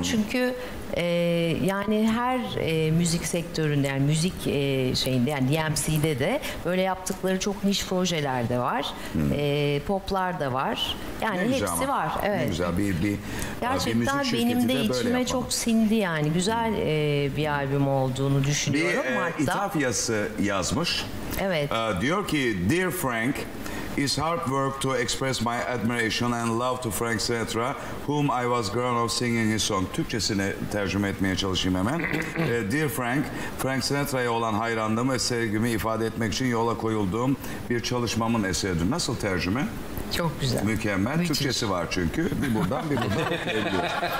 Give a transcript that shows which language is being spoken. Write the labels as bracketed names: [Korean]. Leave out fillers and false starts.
[Turkish] Çünkü yani her müzik sektöründe, yani müzik şeyinde, yani DMC'de de böyle yaptıkları çok niş projeler de var. Poplar da var. Yani hepsi ama. Var. Evet. Güzel. Bir gerçekten bir müzik, benim de böyle içime yapalım. Çok sindi yani. Güzel bir albüm olduğunu düşünüyorum. Bir İtafyası yazmış. Evet. Diyor ki [English] Dear Frank, it's hard work to express my admiration and love to Frank Sinatra, whom I was grown up singing his song. [Turkish] Türkçesini tercüme etmeye çalışayım hemen. [English] Dear Frank, [Turkish] Frank Sinatra'ya olan hayranlığımı ve sevgimi ifade etmek için yola koyulduğum bir çalışmamın eseridir. Nasıl tercüme? Çok güzel. Mükemmel. Müthiş. Türkçesi var çünkü. Bir buradan bir buradan okuyabiliyor.